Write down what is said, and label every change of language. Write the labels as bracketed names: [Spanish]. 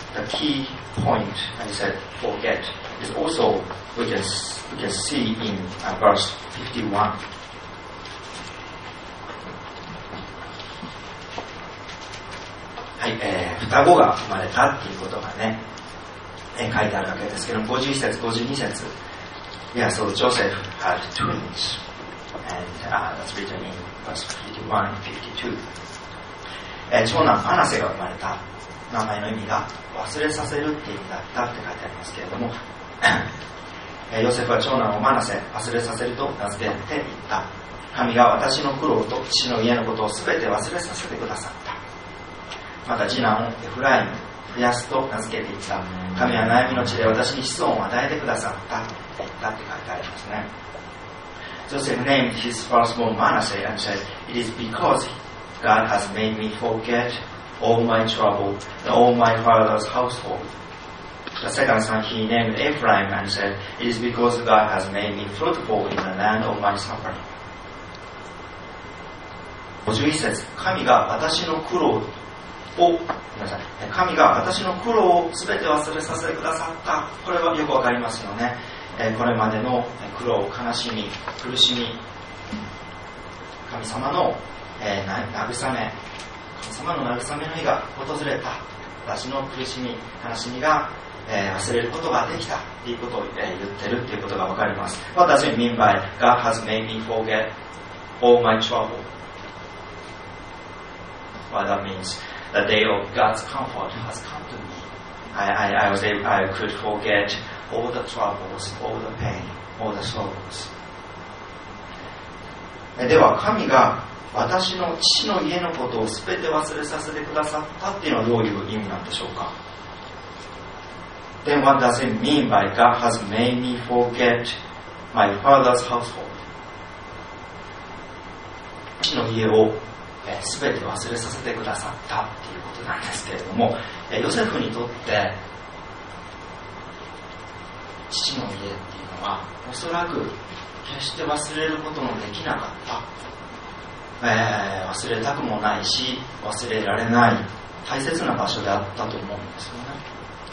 [English] The key point I said forget is also we can see in verse 51、 [Japanese] はい双子が生まれたっていうことがね、書いてあるわけですけど51節52節 [English] Yeah, so Joseph had twins and that's written in verse 51 and 52、 [Japanese] 長男アナセが生まれた名前の意味が忘れさせるっていう意味だったって書いてありますけれども、ヨセフは長男をマナセ忘れさせると名付けて言った神が私の苦労と父の家のことを全て忘れさせてくださったまた次男をエフライム増やすと名付けていった。神は悩みの地で私に子孫を与えてくださったって言ったって書いてありますね。 [English] Joseph named his firstborn Manasseh and said, It is because God has made me forget all my trouble and all my father's household. The second son he named Ephraim and said, It is because God has made me fruitful in the land of my suffering. [Japanese] 51節、神が私の苦労を、神が私の苦労を全て忘れさせてくださった。これはよくわかりますよね。これまでの苦労、悲しみ、苦しみ、神様の慰め、神様の慰めの日が訪れた。私の苦しみ、悲しみが忘れることができたということを言っているということがわかります。 [English] What does it mean by God has made me forget all my trouble? But that means the day of God's comfort has come to me. I could forget all the troubles, all the pain, all the sorrows. [Japanese] では神が私の父の家のことをすべて忘れさせてくださったっていうのはどういう意味なんでしょうか。 [English] Then what does it mean by God has made me forget my father's household? [Japanese] 父の家を全て忘れさせてくださったっていうことなんですけれども、ヨセフにとって父の家っていうのはおそらく決して忘れることのできなかった、忘れたくもないし忘れられない大切な場所であったと思うんですよね。